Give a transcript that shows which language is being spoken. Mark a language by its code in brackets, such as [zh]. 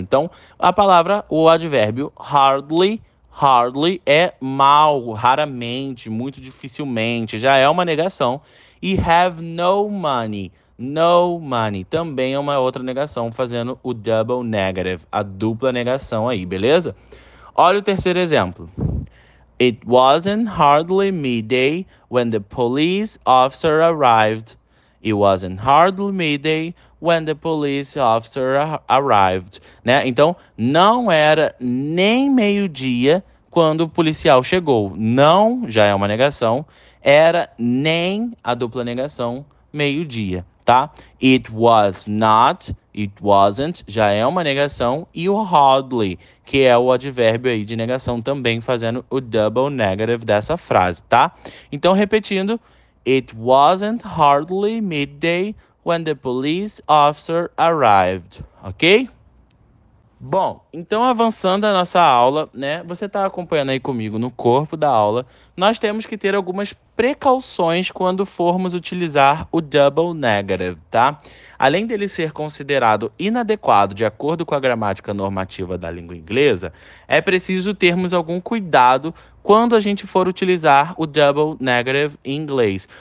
[pt] Então, a palavra, o advérbio hardly, hardly é mal, raramente, muito dificilmente, já é uma negação. [en] E have no money. No money. [pt] Também é uma outra negação, fazendo o double negative, a dupla negação aí, beleza? Olha o terceiro exemplo. [en] It wasn't hardly midday when the police officer arrived. It wasn't hardly midday when the police officer arrived. [pt] Né? Então, não era nem meio-dia quando o policial chegou. Não, já é uma negação. Era nem a dupla negação, meio-dia. Tá? [en] It was not, it wasn't, [pt] já é uma negação, e o hardly, que é o advérbio aí de negação também fazendo o double negative dessa frase, tá? Então repetindo, [en] it wasn't hardly midday when the police officer arrived, ok? [pt] Bom, então avançando a nossa aula, né? Você está acompanhando aí comigo no corpo da aula. Nós temos que ter algumas precauções quando formos utilizar o double negative, tá? Além dele ser considerado inadequado de acordo com a gramática normativa da língua inglesa, é preciso termos algum cuidado quando a gente for utilizar o double negative em inglês.